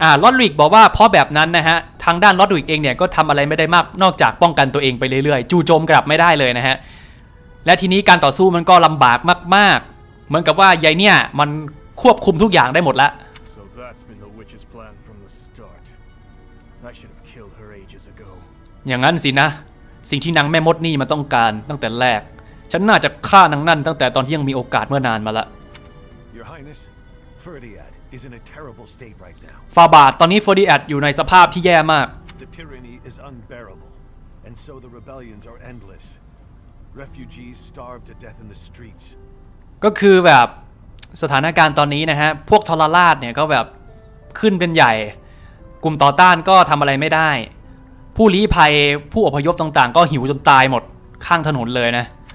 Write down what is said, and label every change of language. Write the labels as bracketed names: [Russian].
[Thai] ลอดริกบอกว่าเพราะแบบนั้นนะฮะทางด้านลอดริกเองเนี่ยก็ทำอะไรไม่ได้มากนอกจากป้องกันตัวเองไปเรื่อยๆจู่โจมกลับไม่ได้เลยนะฮะและทีนี้การต่อสู้มันก็ลำบากมากๆเหมือนกับว่ายายเนี่ยมันควบคุมทุกอย่างได้หมดละ [English] So that's been the witch's plan from the start. I should have killed her ages ago. [Thai] อย่างนั้นสินะสิ่งที่นางแม่มดนี่มันต้องการตั้งแต่แรกฉันน่าจะฆ่านางนั่นตั้งแต่ตอนที่ยังมีโอกาสเมื่อนานมาละ [English] Your HighnessFerdiad is in a terrible state right now. [Thai] ฟาบาดตอนนี้เฟอร์ดิแอดอยู่ในสภาพที่แย่มาก [English] The tyranny is unbearable, and so the rebellions are endless. Refugees starve to death in the streets. [Thai] ก็คือแบบสถานการณ์ตอนนี้นะฮะพวกทรราชเนี่ยก็แบบขึ้นเป็นใหญ่กลุ่มต่อต้านก็ทำอะไรไม่ได้ผู้ลี้ภัยผู้อพยพต่างๆก็หิวจนตายหมดข้างถนนเลยนะ